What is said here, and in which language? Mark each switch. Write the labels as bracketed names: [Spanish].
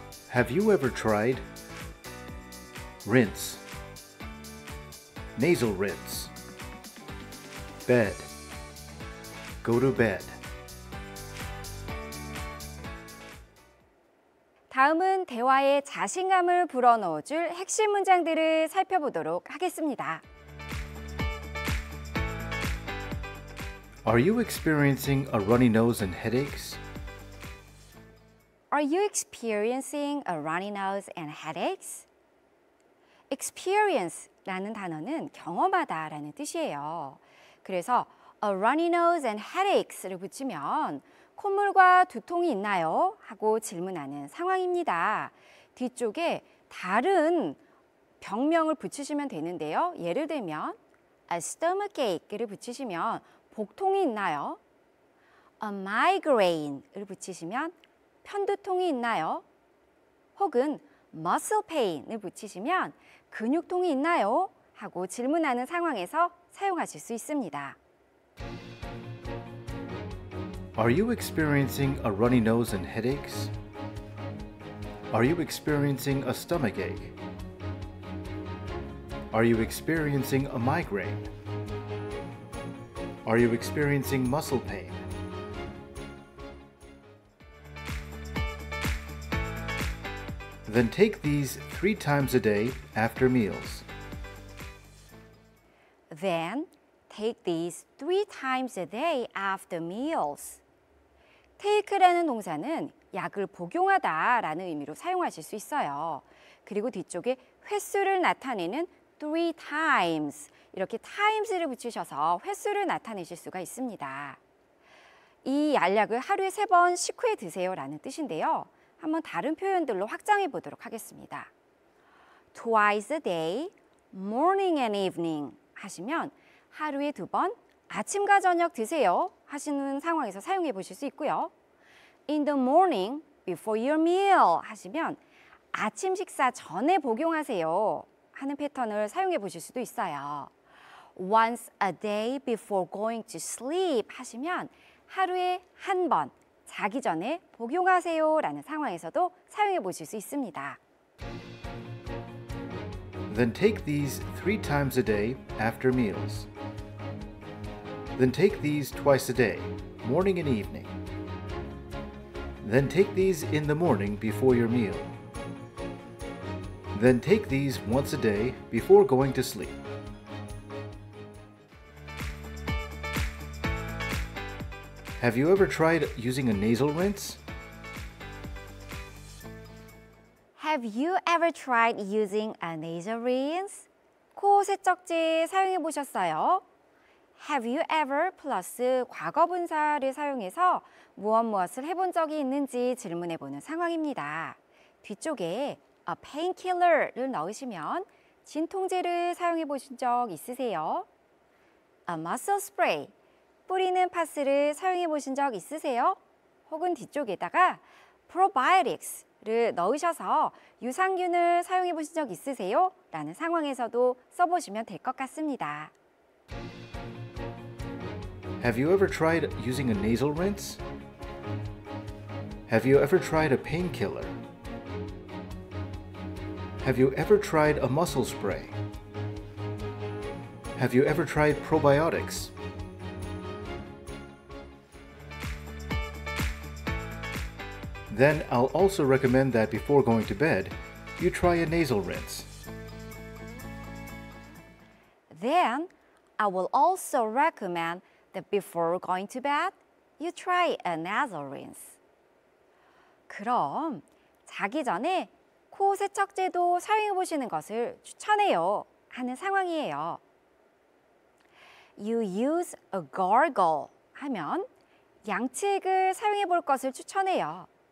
[English] have you ever tried? rinse. nasal rinse. bed. go to bed. [Korean] 다음은 대화에 자신감을 불어넣어줄 핵심 문장들을 살펴보도록 하겠습니다. [English] Are you experiencing a runny nose and headaches? Are you experiencing a runny nose and headaches? [Korean] Experience라는 단어는 경험하다 라는 뜻이에요. 그래서 [English] a runny nose and headaches [Korean] 를 붙이면 콧물과 두통이 있나요? 하고 질문하는 상황입니다. 뒤쪽에 다른 병명을 붙이시면 되는데요. 예를 들면 a stomachache를 붙이시면 복통이 있나요? a migraine를 붙이시면 편두통이 있나요? 혹은 muscle pain을 붙이시면 근육통이 있나요? 하고 질문하는 상황에서 사용하실 수 있습니다. [English] Are you experiencing a runny nose and headaches? Are you experiencing a stomach ache? Are you experiencing a migraine? Are you experiencing muscle pain? Then take these 3 times a day after meals. Then take these 3 times a day after meals. [Korean] take라는 동사는 약을 복용하다 라는 의미로 사용하실 수 있어요. 그리고 뒤쪽에 횟수를 나타내는 [English] three times [Korean] 이렇게 times를 붙이셔서 횟수를 나타내실 수가 있습니다. 이 알약을 하루에 3번 식후에 드세요 라는 뜻인데요. 한번 다른 표현들로 확장해 보도록 하겠습니다. [English] twice a day, morning and evening [Korean] 하시면 하루에 2번 아침과 저녁 드세요 하시는 상황에서 사용해 보실 수 있고요. [English] In the morning, before your meal [Korean] 하시면 아침 식사 전에 복용하세요 하는 패턴을 사용해 보실 수도 있어요. [English] Once a day before going to sleep [Korean] 하시면 하루에 한 번 자기 전에 복용하세요 라는 상황에서도 사용해 보실 수 있습니다. [English] Then take these 3 times a day after meals. Then take these twice a day, morning and evening. Then take these in the morning before your meal. Then take these once a day before going to sleep. Have you ever tried using a nasal rinse? Have you ever tried using a nasal rinse? [Korean] 코 세척제 사용해 보셨어요? [English] Have you ever [Korean] 플러스 과거분사를 사용해서 무엇무엇을 해본 적이 있는지 질문해 보는 상황입니다. 뒤쪽에 a painkiller를 넣으시면 진통제를 사용해 보신 적 있으세요? [English] a muscle spray, [Korean] 뿌리는 파스를 사용해 보신 적 있으세요? 혹은 뒤쪽에다가 probiotics를 넣으셔서 유산균을 사용해 보신 적 있으세요? 라는 상황에서도 써보시면 될 것 같습니다. [English] Have you ever tried using a nasal rinse? Have you ever tried a painkiller? Have you ever tried a muscle spray? Have you ever tried probiotics? Then I'll also recommend that before going to bed, you try a nasal rinse. Then I will also recommend that before going to bed, you try a nasal rinse. [Korean] 그럼 자기 전에 코 세척제도 사용해 보시는 것을 추천해요 하는 상황이에요. [English] You use a gargle [Korean] 하면 양치액을 사용해 볼 것을 추천해요.